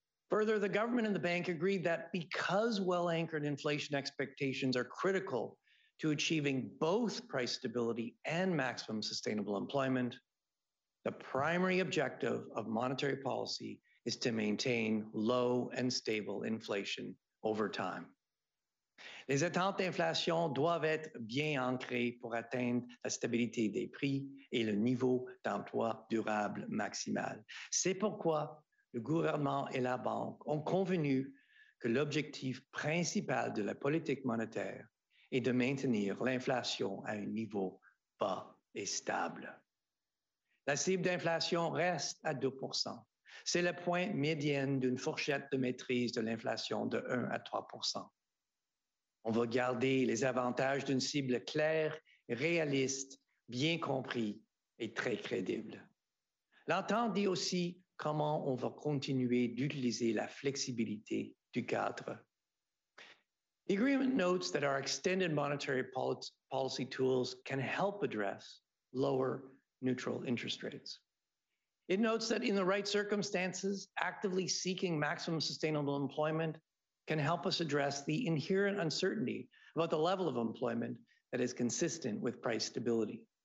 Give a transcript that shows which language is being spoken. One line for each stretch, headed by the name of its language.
English: Further, the government and the bank agreed that because well-anchored inflation expectations are critical to achieving both price stability and maximum sustainable employment, the primary objective of monetary policy is to maintain low and stable inflation over time.
French: Les attentes d'inflation doivent être bien ancrées pour atteindre la stabilité des prix et le niveau d'emploi durable maximal. C'est pourquoi le gouvernement et la banque ont convenu que l'objectif principal de la politique monétaire est de maintenir l'inflation à un niveau bas et stable. La cible d'inflation reste à 2%. C'est le point médian d'une fourchette de maîtrise de l'inflation de 1 à 3%. On va garder les avantages d'une cible claire, réaliste, bien compris et très crédible. L'entente dit aussi comment on va continuer d'utiliser la flexibilité du cadre.
English: The agreement notes that our extended monetary policy tools can help address lower neutral interest rates. It notes that in the right circumstances, actively seeking maximum sustainable employment can help us address the inherent uncertainty about the level of employment that is consistent with price stability.